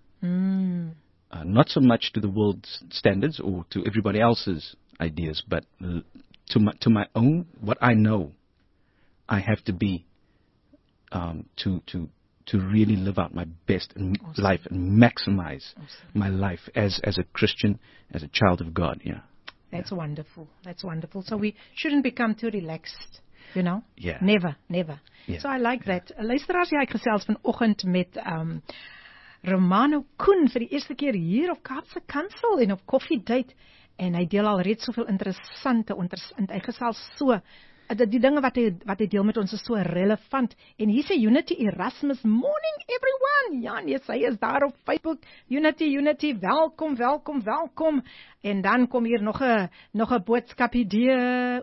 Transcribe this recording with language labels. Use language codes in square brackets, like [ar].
[en] Not so much to the world's standards or to everybody else's ideas, but to my own, what I know I have to be to really live out my best life and maximize my life as a Christian, as a child of God. Yeah. That's wonderful. That's wonderful. So we shouldn't become too relaxed, you know? Yeah. Never. Yeah. So I like that. [af] Luisteraars, jy gesels vanoggend met Romano Koen vir die eerste keer hier op Kaapse Kansel en op Koffiedate, en hy deel al reeds soveel interessante hy gesels so die dinge wat hy deel met ons is so relevant. En hier sê Unity Erasmus, [en] morning everyone. [af] Ja, nee, sy is daar op Facebook. Unity, welkom. En dan kom hier nog een boodskap idee.